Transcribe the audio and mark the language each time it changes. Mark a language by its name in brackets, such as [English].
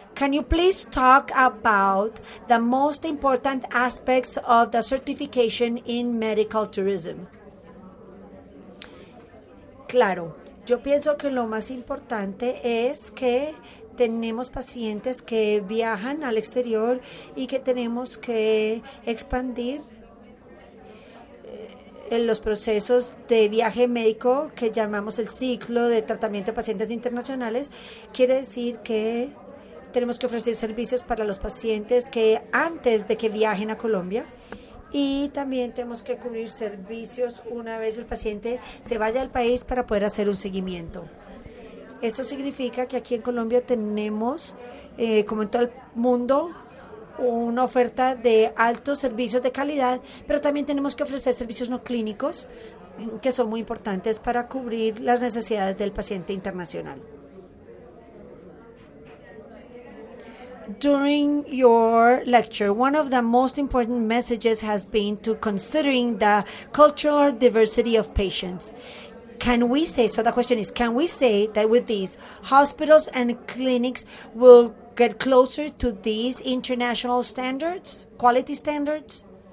[English] Can you please talk about the most important aspects of the certification in medical tourism? [Spanish] Claro. Yo pienso que lo más importante es que tenemos pacientes que viajan al exterior y que tenemos que expandir en los procesos de viaje médico que llamamos el ciclo de tratamiento de pacientes internacionales. Quiere decir que tenemos que ofrecer servicios para los pacientes que antes de que viajen a Colombia, y también tenemos que cubrir servicios una vez el paciente se vaya al país para poder hacer un seguimiento. Esto significa que aquí en Colombia tenemos, como en todo el mundo, una oferta de altos servicios de calidad, pero también tenemos que ofrecer servicios no clínicos que son muy importantes para cubrir las necesidades del paciente internacional. [English] During your lecture, one of the most important messages has been to considering the cultural diversity of patients. Can we say, so the question is, can we say that with these hospitals and clinics will get closer to these international standards, quality standards?